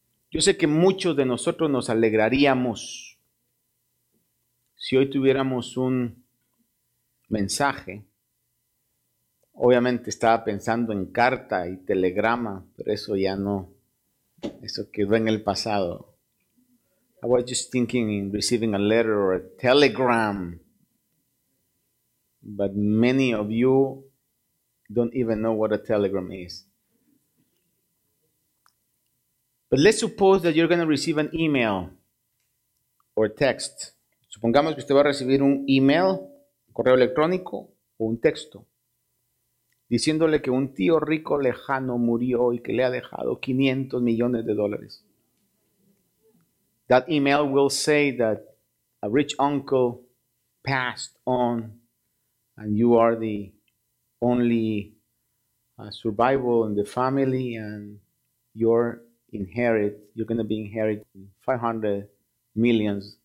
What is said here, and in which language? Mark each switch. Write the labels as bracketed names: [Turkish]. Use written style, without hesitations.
[Spanish] Yo sé que muchos de nosotros nos alegraríamos si hoy tuviéramos un mensaje. Obviamente estaba pensando en carta y telegrama, pero eso ya no, eso quedó en el pasado. [English] I was just thinking in receiving a letter or a telegram, but many of you don't even know what a telegram is. But let's suppose that you're going to receive an email or a text. [Spanish] Supongamos que usted va a recibir un email, un correo electrónico o un texto, diciéndole que un tío rico lejano murió y que le ha dejado 500 millones de dólares. [English] That email will say that a rich uncle passed on and you are the only survival in the family, and you're going to be inheriting $500 million.